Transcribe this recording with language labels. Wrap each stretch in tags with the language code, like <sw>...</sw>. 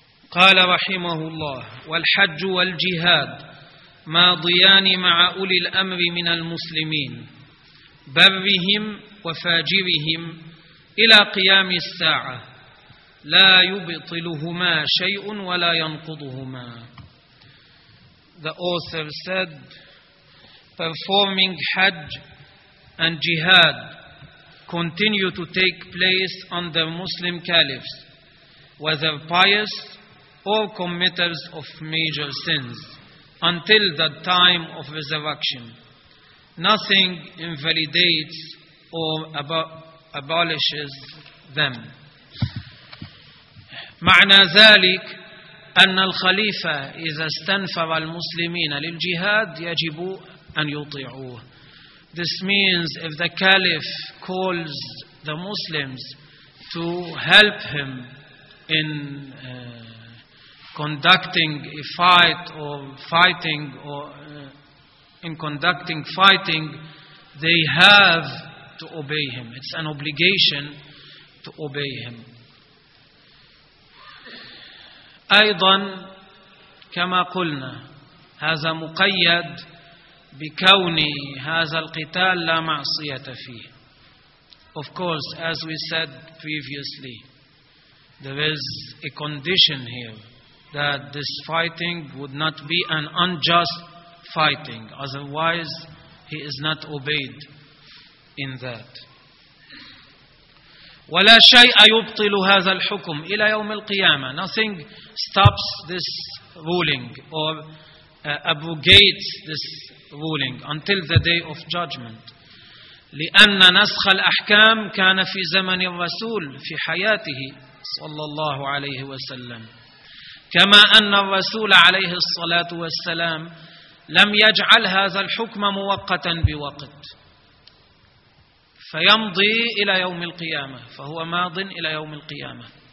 <ar>قال رحمه الله والحج والجهاد ماضيان مع أولي الأمر من المسلمين برهم وفاجرهم إلى قيام الساعة لا يبطلهما شيء ولا ينقضهما.</ar> <en>The author said, performing Hajj and Jihad continue to take place under Muslim caliphs, whether pious or committers of major sins, until the time of resurrection. Nothing invalidates or abolishes them.</en> <ar>معنى ذلك أن الخليفة إذا استنفر المسلمين للجهاد يجب أن يطيعوه.</ar> <en>This means if the caliph calls the Muslims to help him in conducting a fight or fighting or in conducting fighting, they have to obey him. It's an obligation to obey him.</en> <ar>أيضا كما قلنا هذا مقيد بكون هذا القتال لا معصية فيه.</ar> <en>Of course, as we said previously, there is a condition here that this fighting would not be an unjust fighting. Otherwise, he is not obeyed in that.</en> <ar>ولا شيء يبطل هذا الحكم إلى يوم القيامة.</ar> <en>Nothing stops this ruling or abrogates this ruling until the day of judgment.</en> <ar>لأن نسخ الأحكام كان في زمن الرسول في حياته صلى الله عليه وسلم. كما أن الرسول عليه الصلاة والسلام لم يجعل هذا الحكم موقتا بوقت فيمضي إلى يوم القيامة، فهو ماض إلى يوم القيامة.</ar>